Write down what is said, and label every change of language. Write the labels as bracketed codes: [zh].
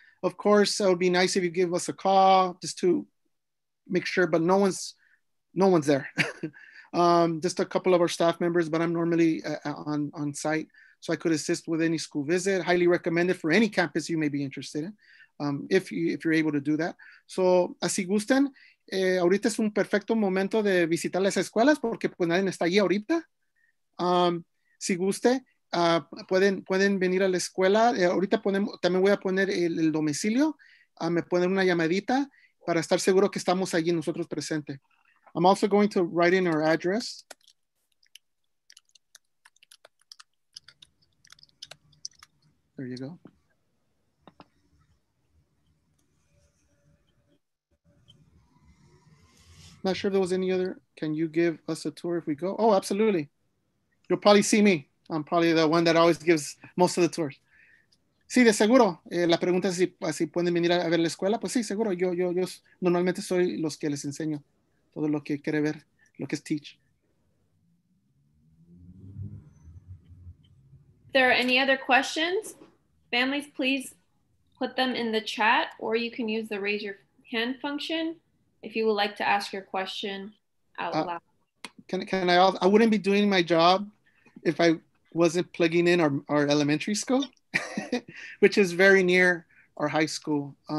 [en] Of course, it would be nice if you give us a call just to make sure, but no one's there. just a couple of our staff members, but I'm normally on site, so I could assist with any school visit. Highly recommended for any campus you may be interested in. If you're able to do that. [es] So, así gusten, ahorita es un perfecto momento de visitar las escuelas porque pues nadie está allí ahorita. Si guste, pueden venir a la escuela. Ahorita también voy a poner el domicilio. Me ponen una llamadita para estar seguro que estamos allí nosotros presentes. [en] I'm also going to write in our address. There you go. Not sure if there was any other. Can you give us a tour if we go? Oh, absolutely. You'll probably see me. I'm probably the one that always gives most of the tours. [es] Sí, de seguro. La pregunta es si pueden venir a ver la escuela. Pues sí, seguro. Yo normalmente soy los que les enseño todo lo que quiere ver, lo que es teach. [en] If there are any other questions, families, please put them in the chat or you can use the raise your hand function if you would like to ask your question out loud. I wouldn't be doing my job if I wasn't plugging in our elementary school, which is very near our high school.